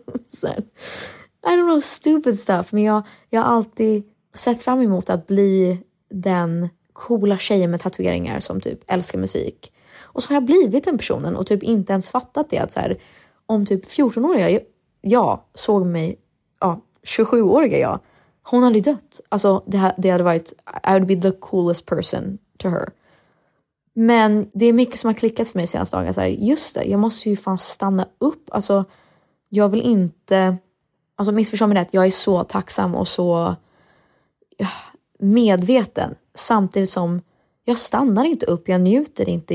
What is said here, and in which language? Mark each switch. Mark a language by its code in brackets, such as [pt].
[sv] Så här, [en] I don't know, stupid stuff. [sv] Men jag har alltid sett fram emot att bli den coola tjejen med tatueringar som typ älskar musik. Och så har jag blivit den personen och typ inte ens fattat det. Att så här, om typ 14-åriga jag såg mig, ja, 27-åriga jag, hon hade dött. Alltså det hade varit, [en] I would be the coolest person to her. [sv] Men det är mycket som har klickat för mig senaste dagen. Så här, just det, jag måste ju fan stanna upp. Alltså, jag vill inte... Alltså, missförstå mig rätt. Jag är så tacksam och så medveten. Samtidigt som jag stannar inte upp. Jag njuter inte.